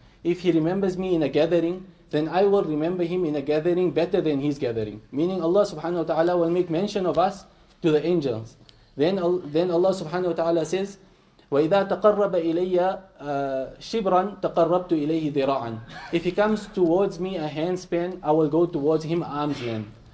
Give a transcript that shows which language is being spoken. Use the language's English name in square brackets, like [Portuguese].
[English] If he remembers me in a gathering, then I will remember him in a gathering better than his gathering. Meaning Allah subhanahu wa ta'ala will make mention of us to the angels. Then Allah subhanahu wa ta'ala says, [Arabic] وَإِذَا تَقَرَّبَ إِلَيَّ شِبْرًا تَقَرَّبْتُ إِلَيْهِ ذِرَاعًا. [English] If he comes towards me a handspan, I will go towards him arm's length.